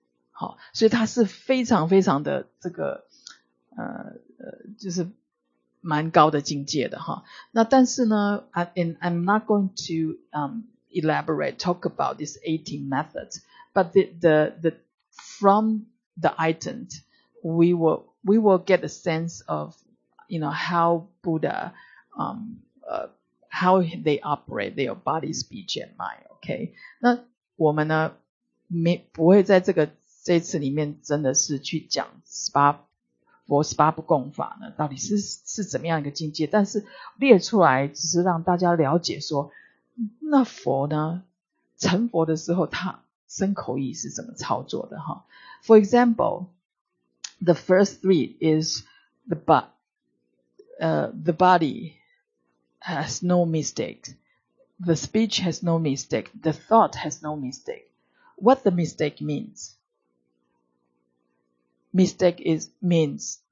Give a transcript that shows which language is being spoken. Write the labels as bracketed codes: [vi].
[zh] 好，所以它是非常非常的这个就是蛮高的境界的哈。那但是呢 [en] I'm not going to elaborate talk about this 18 methods, but the from the item we will get a sense of, you know, how Buddha how they operate their body, speech and mind. [zh] Okay, 那我们呢没不会在这次里面真的是去讲十八不共法呢到底是怎么样一个境界，但是列出来只是让大家了解说，那佛呢成佛的时候他身口意是怎么操作的。 [en] For example, the first three is the body has no mistake, the speech has no mistake, the thought has no mistake. What the mistake means? Mistake means